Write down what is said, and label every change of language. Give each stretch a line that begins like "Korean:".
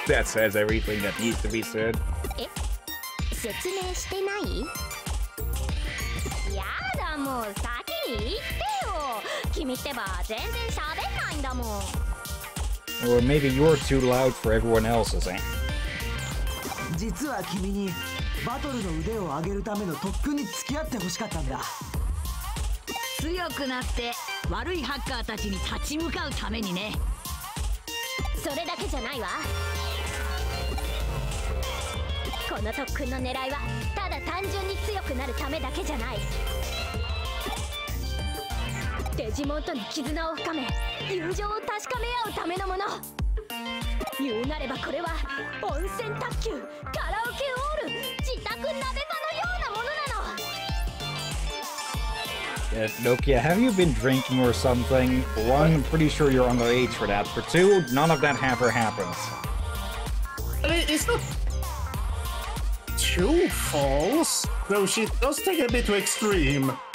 English: That says everything that needs to be said.
Japanese: え？説明してない？やだもう先に言ってよ。君ってば全然喋んないんだもん。
English: Or maybe you're too loud for everyone else's, eh?
Japanese: 実は君にバトルの腕を上げるための特訓に付き合ってほしかったんだ。強くなって悪いハッカーたちに立ち向かうためにね。それだけじゃないわ。この特訓の狙いはただ単純に強くなるためだけじゃない。デジモンとの絆を深め、友情を確かめ合うためのもの。言うなればこれは温泉卓球、カラオケオール、自宅鍋場のようなものなの。
English: Yes, Nokia, have you been drinking or something? One, I'm pretty sure you're underage for that. For two, none of that ever happens. I mean, it's not too false, though she does take a bit too extreme.